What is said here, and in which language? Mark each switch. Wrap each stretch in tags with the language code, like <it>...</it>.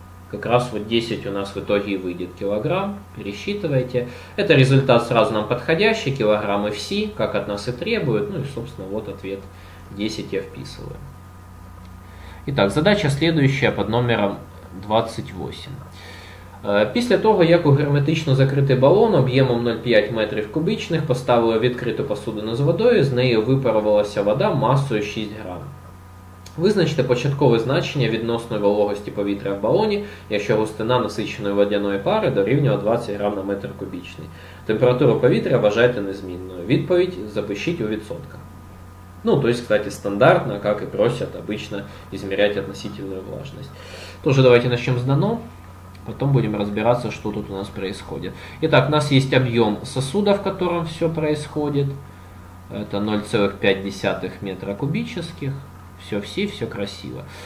<ru>Как раз вот 10 у нас в итоге и выйдет килограмм, пересчитывайте. Это результат сразу нам подходящий, килограммы в си, как от нас и требуют. Ну и, собственно, вот ответ 10 я вписываю. Итак, задача следующая под номером 28.</ru> <uk>Після того, як у герметично закритий балон об'ємом 0,5 метрів кубічних поставили відкриту посудину з водою, з неї випарувалася вода масою 6 грамів. Визначте початкове значення відносної вологості повітря в балоні, якщо густина насиченої водяної пари дорівнює 20 грамів на метр кубічний. Температуру повітря вважайте незмінною. Відповідь запишіть у відсотках.</uk> <ru>Ну, то есть, кстати, стандартно, как и просят обычно измерять относительную влажность. Тоже давайте начнем с ДНО, потом будем разбираться, что тут у нас происходит. Итак, у нас есть объем сосуда, в котором все происходит. Это 0,5 метра кубических. Все красиво.</ru>